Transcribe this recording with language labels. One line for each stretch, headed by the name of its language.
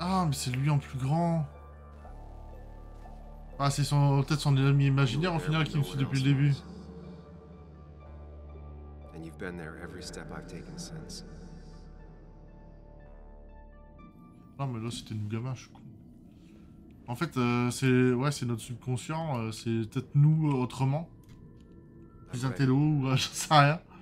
French: C'est lui en plus grand. Ah, c'est son, peut-être son ami imaginaire au final qui me suit depuis le début.
English: And you've been there every step I've taken since.
French: Non mais là c'était nous gamins, je suis con. En fait, c'est ouais, c'est notre subconscient, c'est peut-être nous autrement. Plus intello ou j'en sais rien.